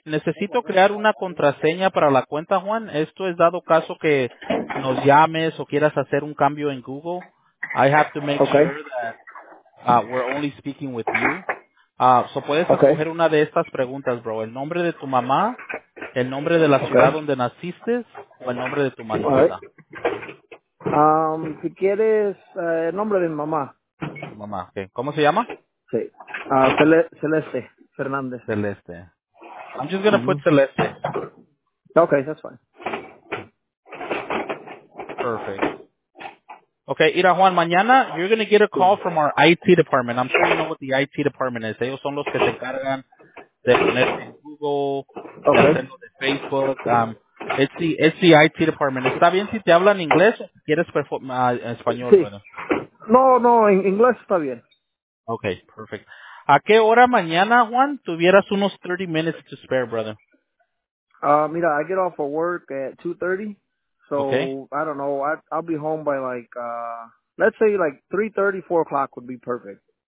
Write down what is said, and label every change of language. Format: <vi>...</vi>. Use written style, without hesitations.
<es>Necesito crear una contraseña para la cuenta, Juan. Esto es dado caso que nos llames o quieras hacer un cambio en Google.</es> <en>I have to make sure that we're only speaking with you.</en> <es>So puedes escoger una de estas preguntas, bro. El nombre de tu mamá, el nombre de la ciudad donde naciste, o el nombre de tu mascota. Right. Si quieres, el nombre de mi mamá. Mamá, okay. ¿Cómo se llama? Sí. Celeste Fernández.</es> <en>Celeste. I'm just gonna put Celeste. Okay, that's fine. Perfect. Okay, Ira Juan, mañana you're going to get a call from our IT department. I'm sure you know what the IT department is.</en> <es>Ellos son los que se encargan de poner en Google, de Facebook.</es> <en>It's the IT department.</en> <es>¿Está bien si te hablan inglés o si quieres español? Sí. Bueno. No, inglés está bien.</es> <en>Okay, perfect.</en> <es>¿A qué hora mañana, Juan, tuvieras unos 30</es> <en>minutes to spare, brother? Mira, I get off of work at 2:30. So, okay. I don't know, I'll be home by like, let's say like 3:30, 4 o'clock would be perfect.</en>